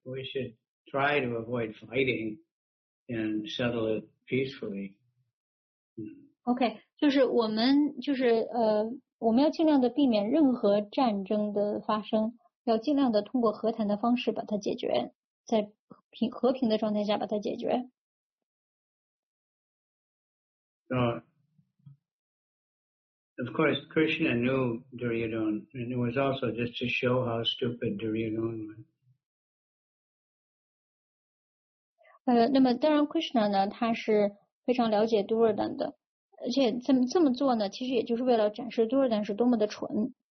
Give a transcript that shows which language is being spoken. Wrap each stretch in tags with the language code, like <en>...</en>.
<en>We should try to avoid fighting and settle it peacefully.</en> <zh>Okay, 就是我们就是我们要尽量的避免任何战争的发生，要尽量的通过和谈的方式把它解决，在和平的状态下把它解决。</zh> <en>So, of course, Krishna knew Duryodhana, and it was also just to show how stupid Duryodhana was.</en> <zh>那么当然 Krishna 呢，他是非常了解 Duryodhana 的，而且这么做呢，其实也就是为了展示 Duryodhana 是多么的蠢。</zh>